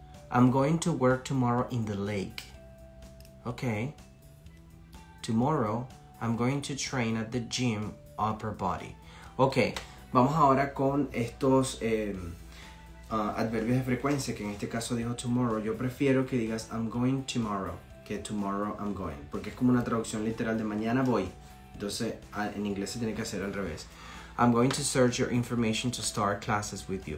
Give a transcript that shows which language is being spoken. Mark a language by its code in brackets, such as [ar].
[en] I'm going to work tomorrow in the lake. Ok. Tomorrow, I'm going to train at the gym, upper body. [es] Ok, vamos ahora con estos adverbios de frecuencia, que en este caso dijo tomorrow. Yo prefiero que digas [en] I'm going tomorrow, [es] que [en] tomorrow I'm going, [es] porque es como una traducción literal de mañana voy. Entonces, en inglés se tiene que hacer al revés. [en] I'm going to search your information to start classes with you.